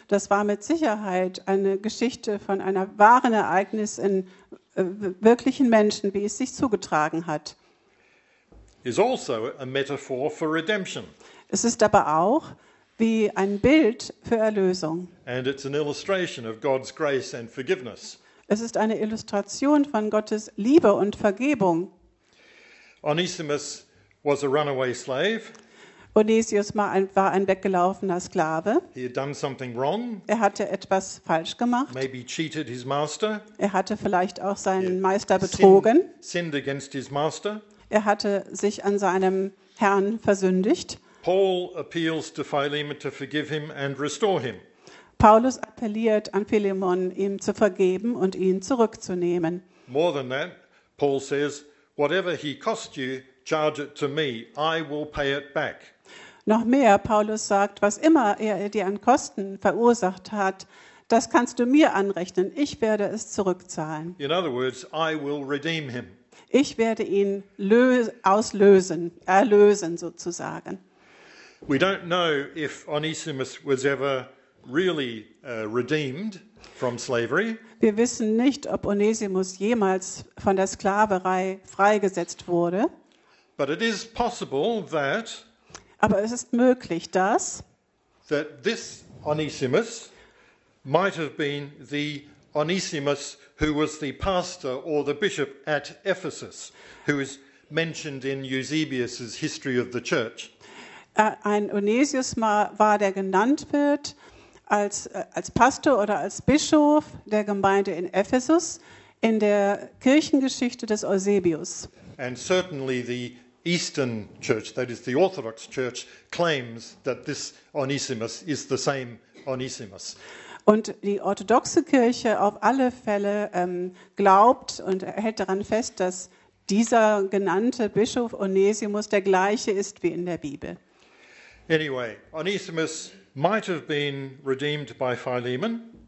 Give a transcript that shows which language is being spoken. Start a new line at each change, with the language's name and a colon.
German: das war mit Sicherheit eine Geschichte von einer wahren Ereignis in wirklichen Menschen, wie es sich zugetragen hat,
English: is also a metaphor for redemption.
German: Es ist aber auch wie ein Bild für Erlösung.
English: And it's an illustration of God's grace and forgiveness.
German: Es ist eine Illustration von Gottes Liebe und Vergebung.
English: Onesimus was a runaway slave.
German: Onesius war ein weggelaufener Sklave.
English: He had done something wrong.
German: Er hatte etwas falsch gemacht.
English: Maybe cheated his master.
German: Er hatte vielleicht auch seinen Meister betrogen.
English: Sinned against his master.
German: Er hatte sich an seinem Herrn versündigt.
English: Paul appeals to Philemon to forgive him and restore him.
German: Paulus appelliert an Philemon, ihm zu vergeben und ihn zurückzunehmen.
English: More than that, Paul says, whatever he cost you, charge it to me. I will pay it back.
German: Noch mehr, Paulus sagt, was immer er dir an Kosten verursacht hat, das kannst du mir anrechnen. Ich werde es zurückzahlen.
English: In other words, I will redeem him.
German: Ich werde ihn erlösen sozusagen.
English: We don't know if Onesimus was ever really redeemed from slavery.
German: Wir wissen nicht, ob Onesimus jemals von der Sklaverei freigesetzt wurde.
English: But it is possible that,
German: aber es ist möglich, dass
English: that this Onesimus might have been the Onesimus who was the pastor or the bishop at Ephesus, who is mentioned in Eusebius's History of the Church.
German: Ein Onesius war, der genannt wird als Pastor oder als Bischof der Gemeinde in Ephesus in der Kirchengeschichte des Eusebius.
English: And certainly the Eastern Church, that is the Orthodox Church, claims that this Onesimus is the same Onesimus.
German: Und die orthodoxe Kirche auf alle Fälle glaubt und hält daran fest, dass dieser genannte Bischof Onesimus der gleiche ist wie in der Bibel.
English: Anyway, Onesimus might have been redeemed by Philemon.